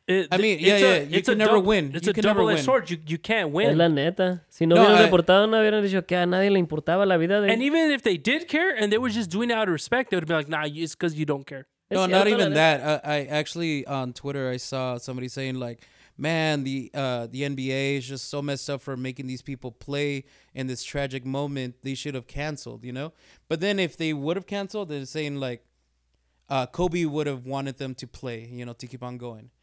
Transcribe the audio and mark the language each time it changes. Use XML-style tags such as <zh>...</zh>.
<en>You can never win. It's a double-edged sword. You can't win.</en> <es>Es la neta. Si no hubieran reportado, no hubieran dicho que a nadie le importaba la vida de...</es> <en>And even if they did care and they were just doing it out of respect, they would be like, nah, it's because you don't care.</en> <es>No, cierto,</es> <en>not even that. I actually, on Twitter, I saw somebody saying like, man, the NBA is just so messed up for making these people play in this tragic moment. They should have canceled, you know? But then if they would have canceled, they're saying like Kobe would have wanted them to play, you know, to keep on going.</en>